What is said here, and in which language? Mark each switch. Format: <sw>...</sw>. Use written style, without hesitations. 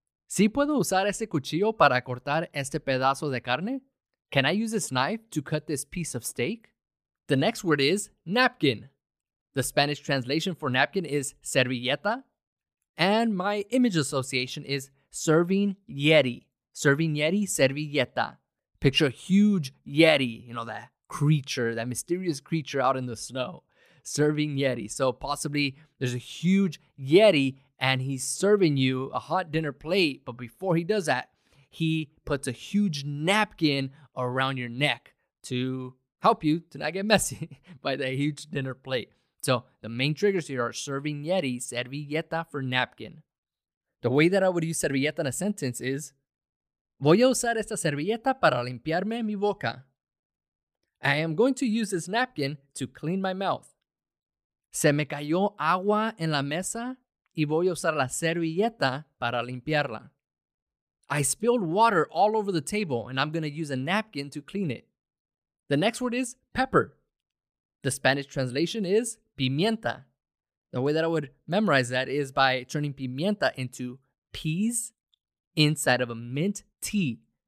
<es>¿Sí puedo usar este cuchillo para cortar este pedazo de carne?</es> <en>Can I use this knife to cut this piece of steak? The next word is napkin. The Spanish translation for napkin is servilleta. And my image association is serving Yeti. Serving Yeti, servilleta. Picture a huge Yeti, you know that creature, that mysterious creature out in the snow serving Yeti. So possibly there's a huge Yeti and he's serving you a hot dinner plate. But before he does that, he puts a huge napkin around your neck to help you to not get messy by the huge dinner plate. So the main triggers here are serving Yeti, servilleta for napkin. The way that I would use servilleta in a sentence is,</en> <es>voy a usar esta servilleta para limpiarme mi boca.</es> <en>I am going to use this napkin to clean my mouth.</en> <es>Se me cayó agua en la mesa y voy a usar la servilleta para limpiarla.</es> <en>I spilled water all over the table and I'm going to use a napkin to clean it. The next word is pepper. The Spanish translation is pimienta. The way that I would memorize that is by turning pimienta into peas inside of a mint tea.</en>